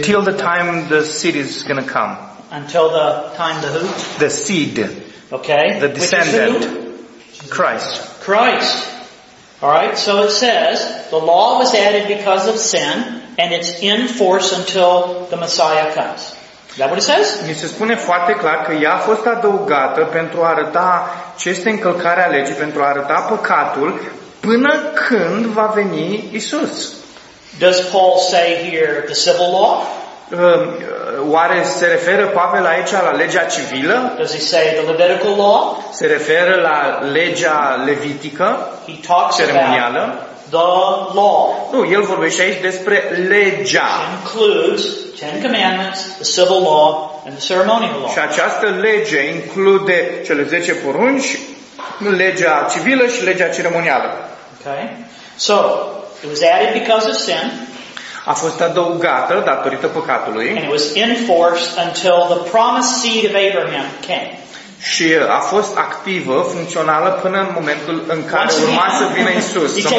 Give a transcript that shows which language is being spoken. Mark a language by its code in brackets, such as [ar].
[en] Till the time the seed is going to come. Until the time the who? The seed. Okay. The descendant. Christ. Christ. All right, so it says, the law was added because of sin, and it's in force until the Messiah comes. Is that what it says? [ro] Mi se spune foarte clar că ea a fost adăugată pentru a arăta ce este încălcarea legii, pentru a arăta păcatul, până când va veni Isus. [en] Does Paul say here the civil law? [ro] Oare se referă Pavel aici la legea civilă? [en] Does he say the Levitical law? [ro] Se referă la legea levitică? [en] He talks [ro] ceremonială. [en] About the law. [ro] Nu, el vorbește aici despre legea. [en] Which includes Ten Commandments, the civil law, and the ceremonial law. [ro] Și această lege include cele 10 porunci, legea civilă și legea ceremonială. [en] Okay. So, it was added because of sin. [ro] A fost adăugată datorită păcatului. [en] And it was enforced until the promised seed of Abraham came. [ro] Și a fost activă, funcțională până în momentul în care urma să vină Iisus.